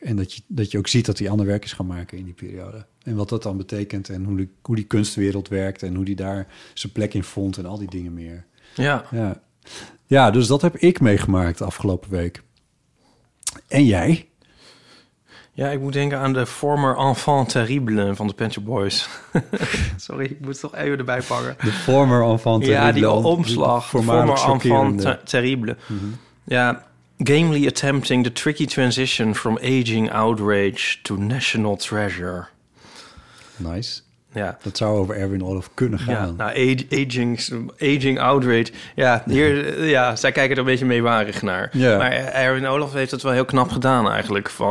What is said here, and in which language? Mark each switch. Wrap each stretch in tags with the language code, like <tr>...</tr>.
<nl>En dat je ook ziet dat hij ander werk is gaan maken in die periode. En wat dat dan betekent en hoe die kunstwereld werkt en hoe die daar zijn plek in vond en al die dingen meer. Ja. Ja, dus dat heb ik meegemaakt afgelopen week. En jij? Ja, ik moet denken aan de</nl> <en>former enfant terrible</en> <nl>van de Pet Shop Boys. Sorry, ik moet het toch even erbij pakken. De</nl> <en>former enfant terrible.</en> <nl>Ja, die omslag. Die</nl> <en>former enfant terrible.</en> <nl>Mm-hmm.</nl> <en>Ja, gamely attempting the tricky transition from aging outrage to national treasure.</en> <nl>Nice. Ja. Dat zou over Erwin Olof kunnen gaan. Ja, nou,</nl> <en>aging outrage.</en> <nl>Ja, hier, ja, zij kijken er een beetje meewarig naar. Ja. Maar Erwin Olof heeft dat wel heel knap gedaan eigenlijk.</nl>